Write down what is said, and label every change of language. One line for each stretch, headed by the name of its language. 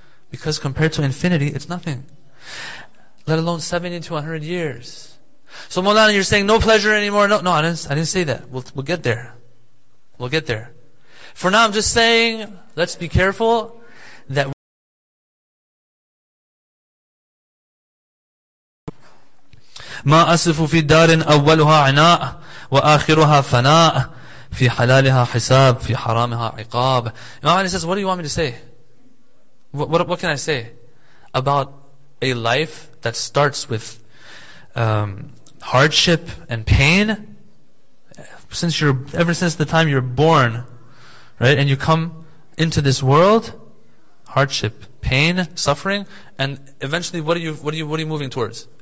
English: Because compared to infinity, it's nothing. Let alone 70 to 100 years. So Mawlana, you're saying no pleasure anymore? No, no, I didn't say that. We'll get there. We'll get there. For now, I'm just saying, let's be careful that we
Arabic: ما أصف في دار أولها عناء وآخرها فناء في حلالها حساب في حرامها عقاب.
English: Imam Ali says, what do you want me to say? What can I say about a life that starts with hardship and pain? Ever since the time you're born, right, and you come into this world, hardship, pain, suffering, and eventually, what are you moving towards?